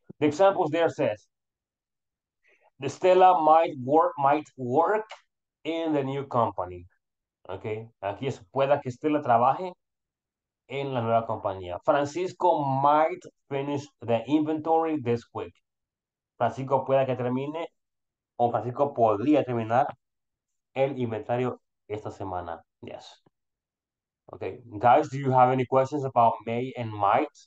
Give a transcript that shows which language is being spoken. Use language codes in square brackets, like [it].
[en] The examples there says, the Stella might work in the new company. Okay. [es] Aquí es pueda que Stella trabaje en la nueva compañía. [en] Francisco might finish the inventory this week. [es] Francisco pueda que termine o Francisco podría terminar el inventario esta semana. [en] Yes. Okay. Guys, do you have any questions about may and might?